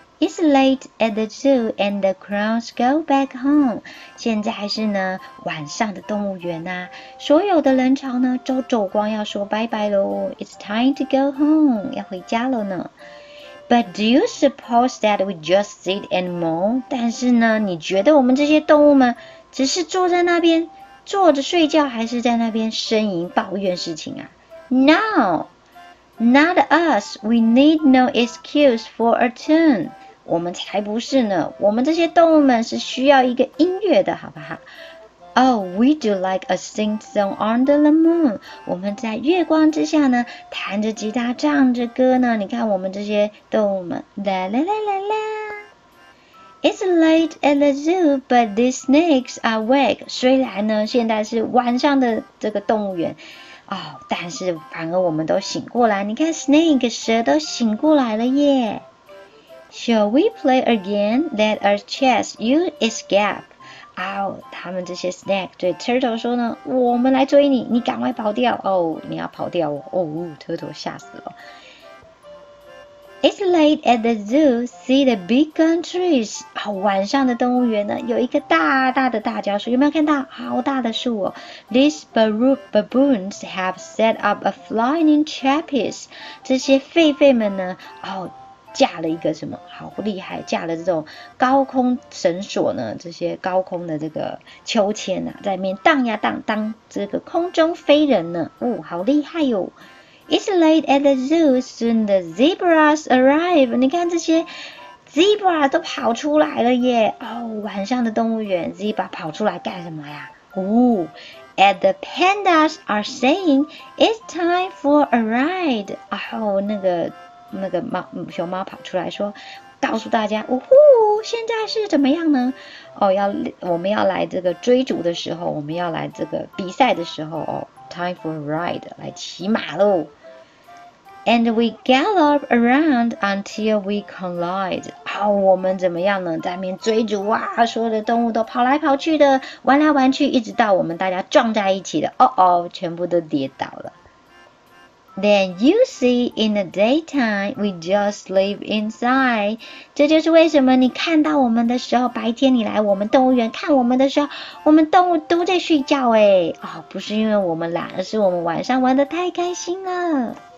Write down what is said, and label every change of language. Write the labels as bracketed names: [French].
[English] It's late at the zoo and the crows go back home. [Chinese] 现在是呢，晚上的动物园啊，所有的人潮呢都走光，要说拜拜咯。 [English] It's time to go home. [Chinese] 要回家了呢。 [English] But do you suppose that we just sit and moan? [Chinese] 但是呢，你觉得我们这些动物们只是坐在那边，坐着睡觉，还是在那边呻吟抱怨事情啊？ [English] No! Not us. We need no excuse for a tune. [Chinese] 我们才不是呢，我们这些动物们是需要一个音乐的，好不好？ [English] Oh, we do like a sing song under the moon. [Chinese] 我们在月光之下呢，弹着吉他唱着歌呢。你看我们这些动物们，啦啦啦啦啦。 [English] It's late at the zoo, but the snakes are awake. [Chinese] 虽然呢，现在是晚上的这个动物园，哦，但是反而我们都醒过来。你看 snake 蛇都醒过来了耶。 [English] Shall we play again? Let us chess. You escape. [Chinese] 哦，他们这些 snake 对 turtle 说呢，我们来追你，你赶快跑掉。哦，你要跑掉哦。哦， turtle 吓死了。 [English] It's late at the zoo. See the big gum trees. [Chinese] 哦，晚上的动物园呢，有一个大大的大蕉树，有没有看到？好大的树哦。 [English] These baboons have set up a flying trapeze. [Chinese] 这些狒狒们呢，哦。架了一个什么好厉害，架了这种高空绳索呢，这些高空的这个秋千啊，在面荡呀荡，当这个空中飞人呢，哦，好厉害哟。 [English] It's late at the zoo, soon the zebras arrive. [Chinese] 你看这些 zebra 都跑出来了耶。哦，晚上的动物园 zebra 跑出来干什么呀？ [English] 哦， and the pandas are saying it's time for a ride. [Chinese] 哦，那个猫熊猫跑出来说，告诉大家，呜呼，现在是怎么样呢？哦，我们要来这个追逐的时候，我们要来这个比赛的时候，哦 ， [English] time for a ride， [Chinese] 来骑马喽。 [English] And we gallop around until we collide。 [Chinese] 哦，我们怎么样呢？在那边追逐啊，所有的动物都跑来跑去的，玩来玩去，一直到我们大家撞在一起的，哦哦，全部都跌倒了。 [English] Then you see in the daytime, we just sleep inside. [Chinese] 这就是为什么你看到我们的时候，白天你来我们动物园看我们的时候，我们动物都在睡觉耶。哦，不是因为我们懒，而是我们晚上玩得太开心了。